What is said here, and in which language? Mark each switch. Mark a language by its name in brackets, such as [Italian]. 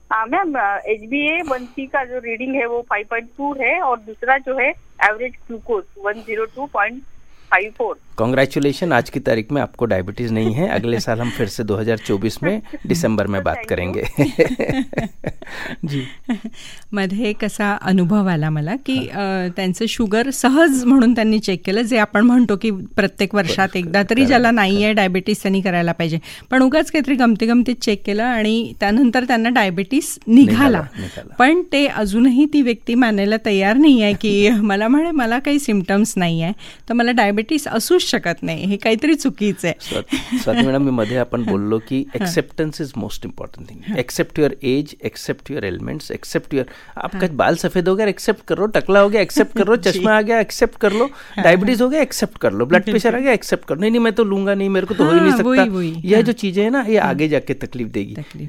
[Hindi] Ma'am HbA1c का जो reading है वो 5.2 है, और दूसरा जो है एवरेज ग्लूकोज 102.54। कॉन्ग्रेचुलेशन, आज की तारीख में आपको डायबिटीज नहीं है। अगले साल हम फिर से 2024 में दिसंबर में बात करेंगे। जी [Marathi] मध्ये कसा अनुभव आला मला की त्यांचं शुगर सहज म्हणून त्यांनी चेक केलं, जे आपण म्हणतो की प्रत्येक वर्षात एकदा तरी ज्याला नाही आहे डायबिटीज त्यांनी करायला पाहिजे, पण उगाच काहीतरी गमती गमती चेक केलं आणि त्यानंतर त्यांना डायबिटीज निघाला, पण ते अजूनही ती व्यक्ती मानायला तयार नाही आहे की मला म्हणे मला काही सिम्पटम्स नाही आहे तर मला डायबिटीज असू शकत नाही, हे काहीतरी चुकीचं आहे। स्वाती मॅडम, मी मध्ये आपण बोललो की [English] Acceptance is most important thing. Accept your age, accept your [Hindi] elements, accept your, आपका बाल सफेद हो गया एक्सेप्ट कर लो, टकला हो गया एक्सेप्ट कर लो, चश्मा आ गया एक्सेप्ट कर लो, डायबिटीज हो गया एक्सेप्ट कर लो, ब्लड प्रेशर आ गया एक्सेप्ट कर लो, नहीं मैं तो लूंगा नहीं, मेरे को तो हो ही नहीं सकता, यह जो चीजें है ना ये आगे जाके तकलीफ देगी।